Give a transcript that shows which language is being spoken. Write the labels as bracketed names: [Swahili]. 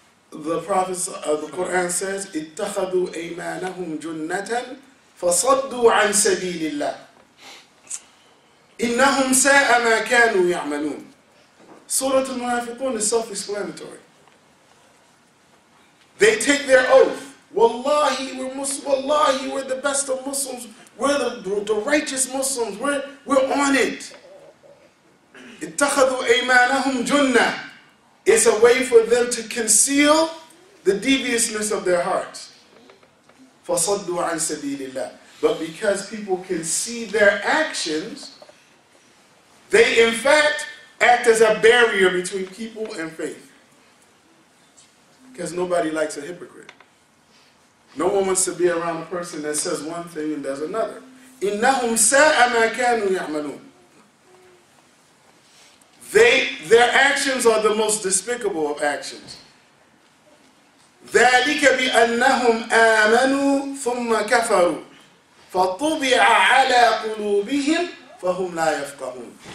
[Arabic] The Prophet of the Quran says, اتخذوا أيمانهم جنة فصدوا عن سبيل الله إنهم ساء ما كانوا يعملون. [English] Surah Al-Munafiqun is self-explanatory. They take their oath. Wallahi, we're Muslims. Wallahi, we're the best of Muslims. We're the righteous Muslims. We're on it. اتخذوا أيمانهم جنة. It's a way for them to conceal the deviousness of their hearts. [Arabic] فصدوا عن سبيل الله. [English] But because people can see their actions, they in fact act as a barrier between people and faith. Because nobody likes a hypocrite. No one wants to be around a person that says one thing and does another. [Arabic] إنهم ساء ما كانوا يعملون. [English] Their actions are the most despicable of actions. [Arabic] ذَلِكَ بِأَنَّهُمْ آمَنُوا ثُمَّ كَفَرُوا فَطُبِعَ عَلَىٰ قُلُوبِهِمْ فَهُمْ لَا يَفْقَهُونَ.